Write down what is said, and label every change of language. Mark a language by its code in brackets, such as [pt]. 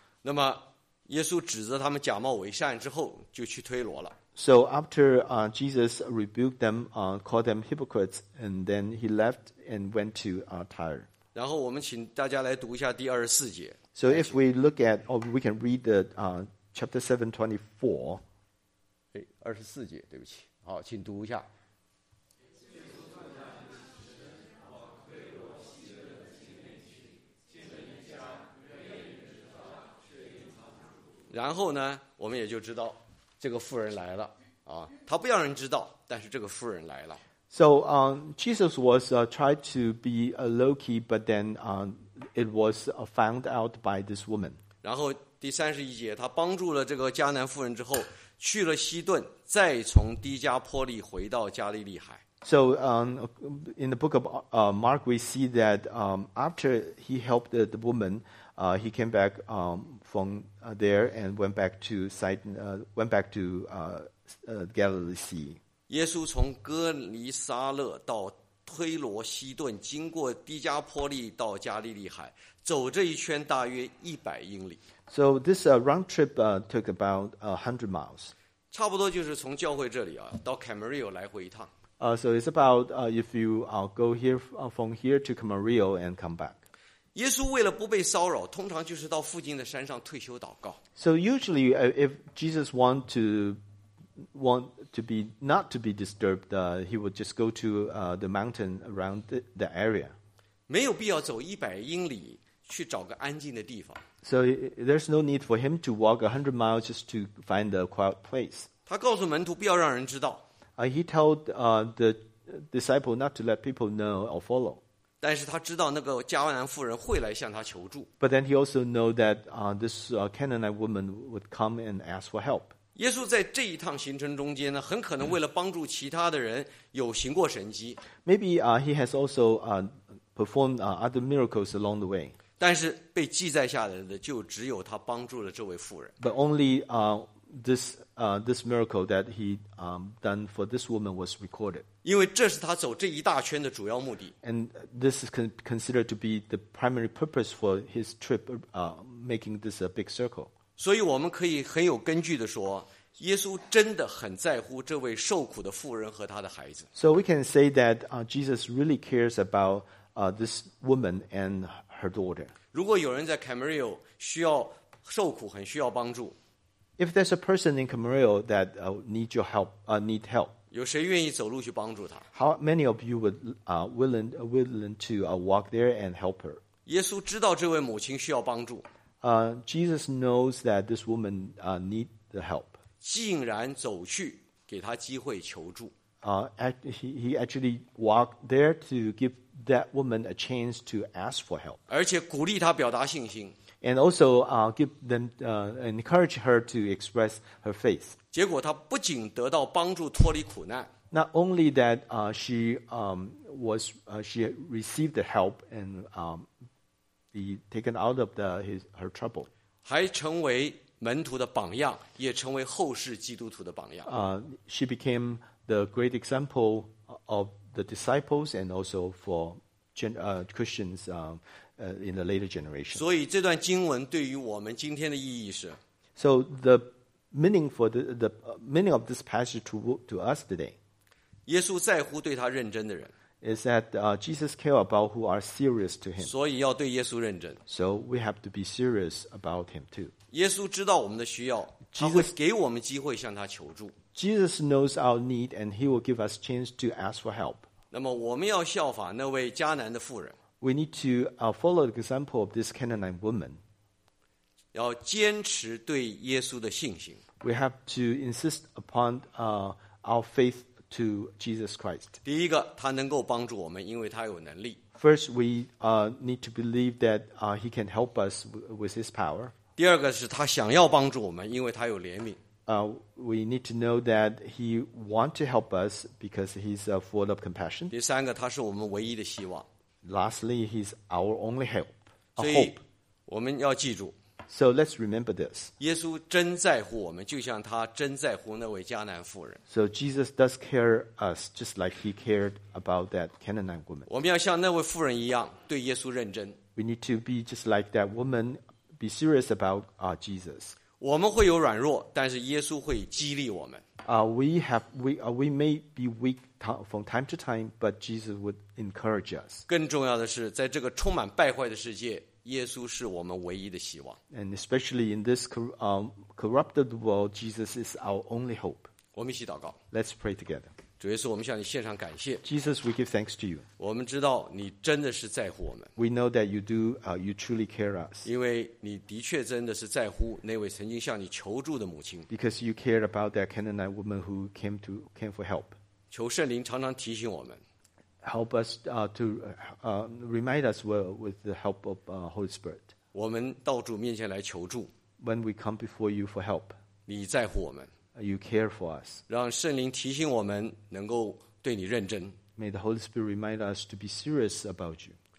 [zh] 那么耶稣指责他们假冒伪善之后就去推罗了。 [en] So after Jesus rebuked them, called them hypocrites, and then he left and went to Tyre. [zh] 然后我们请大家来读一下第二十四节。 [en] So if we look at, or we can read the chapter 7:24. [zh] 24节，对不起，好，请读一下。然后呢，我们也就知道这个妇人来了啊，他不让人知道，但是这个妇人来了。 [en] So Jesus was tried to be a low key, but then it was found out by this woman. [zh] 然后第三十一节，他帮助了这个迦南妇人之后，去了西顿，再从低加坡利回到加利利海。 [en] So in the book of Mark, we see that after he helped the woman, he came back from there and went back to Galilee Sea. [zh] 耶稣从哥尼撒勒到推罗西顿，经过迪加坡利到加利利海，走这一圈大约100英里。 [en] So this round trip took about 100 miles. [zh] 差不多就是从教会这里啊到 Camarillo 来回一趟。 [en] So it's about if you go here from here to Camarillo and come back. [zh] 耶稣为了不被骚扰，通常就是到附近的山上退休祷告。 [en] So usually if Jesus want to be disturbed, he would just go to the mountain around the area. [zh] 没有必要走100英里去找个安静的地方。 [en] So there's no need for him to walk 100 miles just to find a quiet place. [zh] 他告诉门徒不要让人知道。 [en] He told the disciple not to let people know or follow. [zh] 但是他知道那个迦南妇人会来向他求助。 [en] But then he also know that this Canaanite woman would come and ask for help. [zh] 耶稣在这一趟行程中间呢，很可能为了帮助其他的人有行过神迹。 [en] Maybe he has also performed other miracles along the way. [zh] 但是被记载下来的就只有他帮助了这位妇人。 [en] But only this miracle that he done for this woman was recorded. [zh] 因为这是他走这一大圈的主要目的。 [en] And this is considered to be the primary purpose for his trip, making this a big circle. [zh] 所以我们可以很有根据的说，耶稣真的很在乎这位受苦的妇人和他的孩子。 [en] So we can say that Jesus really cares about this woman and her daughter. [zh] 如果有人在 Camarillo 需要受苦，很需要帮助。 [en] If there's a person in Camarillo that need your help, need help. [zh] 有谁愿意走路去帮助他 [en] ？How many of you would willing to walk there and help her? [zh] 耶稣知道这位母亲需要帮助。 [en] Jesus knows that this woman need the help. [zh] 竟然走去给他机会求助。 [en] He actually walked there to give that woman a chance to ask for help. [zh] 而且鼓励他表达信心。 [en] And also encourage her to express her faith. [zh] 结果他不仅得到帮助脱离苦难。 [en] Not only that she received the help and be taken out of her trouble. [zh] 还成为门徒的榜样，也成为后世基督徒的榜样。 [en] She became the great example of the disciples and also for Christians in the later generation. [zh] 所以这段经文对于我们今天的意义是 [en] ？So the meaning for the meaning of this passage to us today. [zh] 耶稣在乎对他认真的人。 [en] Is that Jesus care about who are serious to him. [zh] 所以要对耶稣认真。 [en] So we have to be serious about him too. [zh] 耶稣知道我们的需要，他会给我们机会向他求助。 [en] Jesus knows our need and he will give us chance to ask for help. [zh] 那么我们要效法那位迦南的妇人。 [en] We need to follow the example of this Canaanite woman. [zh] 要坚持对耶稣的信心。 [en] We have to insist upon our faith. To Jesus Christ. [zh] 第一个，他能够帮助我们，因为他有能力。 [en] First, we need to believe that he can help us with his power. [zh] 第二个是他想要帮助我们，因为他有怜悯。 [en] We need to know that he want to help us because he's full of compassion. [zh] 第三个，他是我们唯一的希望。 [en] Lastly, he's our only help. [zh] 所以我们要记住。 [en] So let's remember this. [zh] 耶稣真在乎我们，就像他真在乎那位迦南妇人。 [en] So Jesus does care us, just like he cared about that Canaanite woman. [zh] 我们要像那位妇人一样，对耶稣认真。 [en] We need to be just like that woman, be serious about Jesus. [zh] 我们会有软弱，但是耶稣会激励我们。 [en] We may be weak from time to time, but Jesus would encourage us. [zh] 更重要的是，在这个充满败坏的世界。耶稣是我们唯一的希望。 [en] And especially in this corrupted world, Jesus is our only hope. [zh] 我们一起祷告。 [en] Let's pray together. [zh] 主耶稣，我们向你献上感谢。 [en] Jesus, we give thanks to you. [zh] 我们知道你真的是在乎我们。 [en] We know that you do, you truly care us. [zh] 因为你的确真的是在乎那位曾经向你求助的母亲。 [en] Because you care about that Canaanite woman who came for help. [zh] 求圣灵常常提醒我们。 [en] Help us remind us well with the help of Holy Spirit. [zh] 我们到主面前来求助。 [en] When we come before you for help, [zh] 你在乎我们。 [en] You care for us. [zh] 让圣灵提醒我们能够对你认真。 [en] May the Holy Spirit remind us to be serious about you.